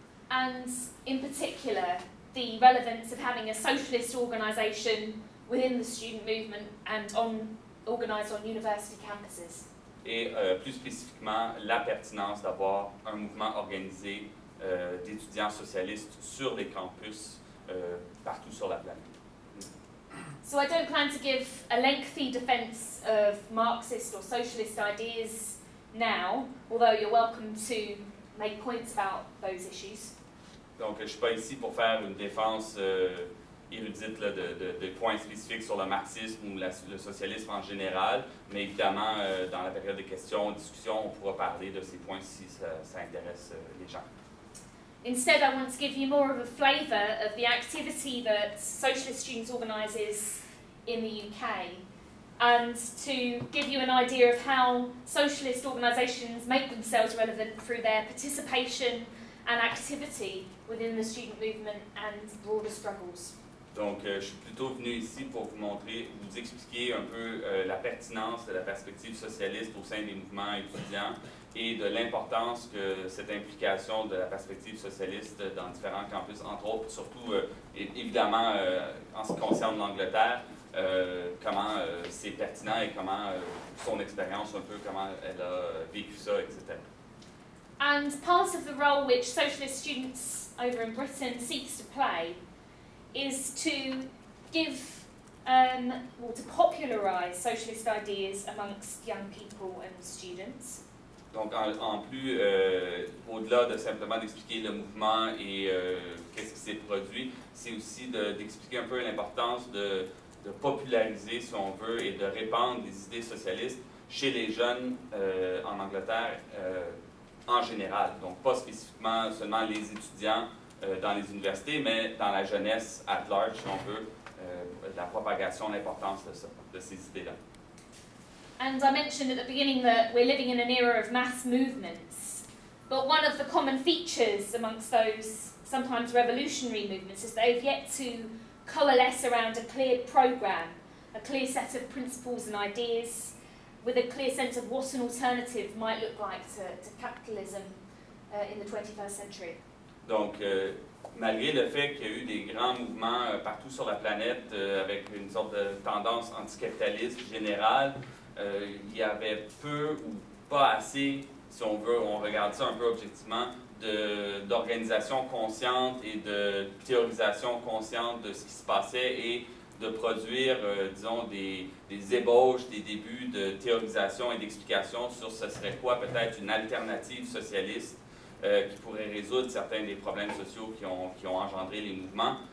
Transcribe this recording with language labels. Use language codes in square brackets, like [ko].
[en] And in particular, the relevance of having a socialist organization within the student movement and organized on university campuses. [fr] Et plus spécifiquement, la pertinence d'avoir un mouvement organisé d'étudiants socialistes sur les campus partout sur la planète. [en] So I don't plan to give a lengthy defense of Marxist or socialist ideas now, although you're welcome to make points about those issues. [fr] Donc, je ne suis pas ici pour faire une défense érudite là, de points spécifiques sur le marxisme ou le socialisme en général, mais évidemment, dans la période des questions, discussions, on pourra parler de ces points si ça intéresse les gens. [en] Instead, I want to give you more of a flavor of the activity that Socialist Students organizes in the UK, and to give you an idea of how socialist organizations make themselves relevant through their participation and activity within the student movement and broader struggles. [fr] Donc, je suis plutôt venu ici pour vous montrer, vous expliquer un peu la pertinence de la perspective socialiste au sein des mouvements étudiants et de l'importance que cette implication de la perspective socialiste dans différents campus, entre autres, surtout, évidemment, en ce qui concerne l'Angleterre, comment c'est pertinent et comment son expérience un peu, comment elle a vécu ça, etc. [en] And part of the role which Socialist Students over in Britain seeks to play is to give to popularize socialist ideas amongst young people and students. [fr] Donc en plus, au-delà de simplement d'expliquer le mouvement et qu'est-ce qui s'est produit, c'est aussi d'expliquer un peu l'importance de populariser, si on veut, et de répandre des idées socialistes chez les jeunes en Angleterre en général. Donc pas spécifiquement seulement les étudiants dans les universités, mais dans la jeunesse [en] at large, [fr] si on veut, la propagation, l'importance de, ça, de ces idées-là. [en] And I mentioned at the beginning that we're living in an era of mass movements. But one of the common features amongst those sometimes revolutionary movements is they've yet to coalesce around a clear programme, a clear set of principles and ideas, with a clear sense of what an alternative might look like to capitalism in the 21st century. [fr] Donc, malgré le fait qu'il y a eu des grands mouvements partout sur la planète avec une sorte de tendance anticapitaliste générale, il y avait peu ou pas assez, si on veut, on regarde ça un peu objectivement, d'organisation consciente et de théorisation consciente de ce qui se passait et de produire, disons, des ébauches, des débuts de théorisation et d'explication sur ce serait quoi peut-être une alternative socialiste qui pourrait résoudre certains des problèmes sociaux qui ont engendré les mouvements.